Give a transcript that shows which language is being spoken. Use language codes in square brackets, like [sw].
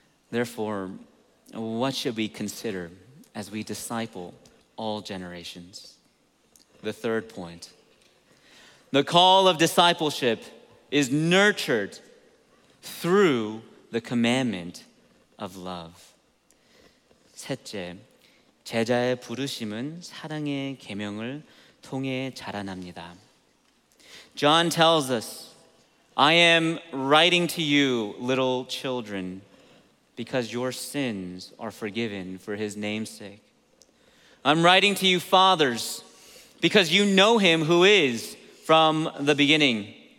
[en] Therefore, what should we consider as we disciple all generations? The third point. The call of discipleship is nurtured through the commandment of love. [ko] 셋째, 제자의 부르심은 사랑의 계명을 통해 자라납니다. [en] John tells us, I am writing to you, little children, because your sins are forgiven for his name's sake. I'm writing to you, fathers, because you know him who is from the beginning.